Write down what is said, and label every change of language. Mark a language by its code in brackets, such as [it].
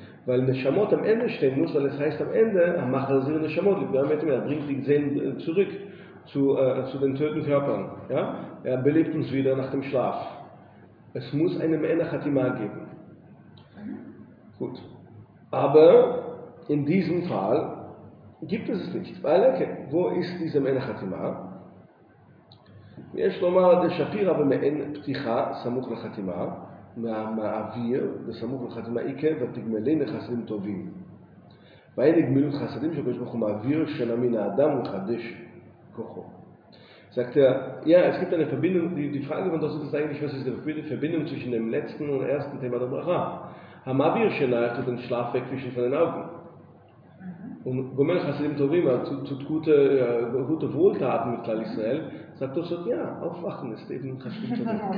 [de] Weil Neshamot am Ende stehen muss, weil es heißt am Ende, Machazir Neshamot, er bringt die Seelen zurück zu den toten Körpern, ja, er belebt uns wieder nach dem Schlaf. Es muss eine Me'ena Chatima geben. Gut. Aber in diesem Fall, gibt es nicht, weil, okay, wo ist diese Me'ena Chatima? [he] יש לומר דשפירא במעין פתיחה סמוך לחתימה, מהאוויר בסמוך לחתימה עיקר ותגמלי נחסדים טובים. והן נגמילות חסדים שקדוש ברוך הוא מעביר שינה מן האדם ומחדש כוחו. [de] Ja, es gibt eine Verbindung, die Frage von Dosset ist eigentlich, was ist die Verbindung zwischen dem letzten und ersten Thema der Bracha? Hamavir Shenai tut den Schlaf wegwischen von den Augen. Und Gomel Chassidim Tovim tut gute Wohltaten mit Klal Israel, sagt Dosset, ja, aufwachen ist eben Chassidim Tovim.